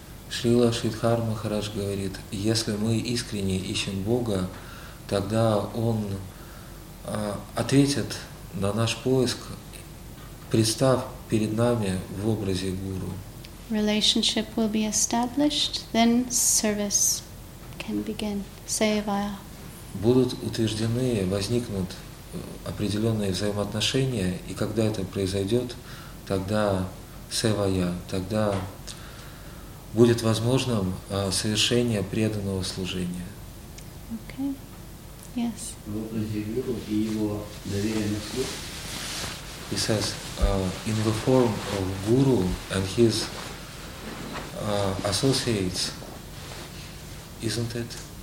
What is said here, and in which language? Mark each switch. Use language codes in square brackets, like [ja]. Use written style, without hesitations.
[ru] Srila Sridhar Maharaj говорит, если мы искренне ищем Бога, тогда Он ответит на наш поиск, представ перед нами в образе гуру. [en] Relationship will be established, then service can begin. Seva. [ru] Будут утверждены, возникнут определенные взаимоотношения, и когда это произойдет, тогда севая, тогда будет возможным совершение преданного служения. [en] Okay. Yes. He says, in the form of Guru and his associates, isn't it?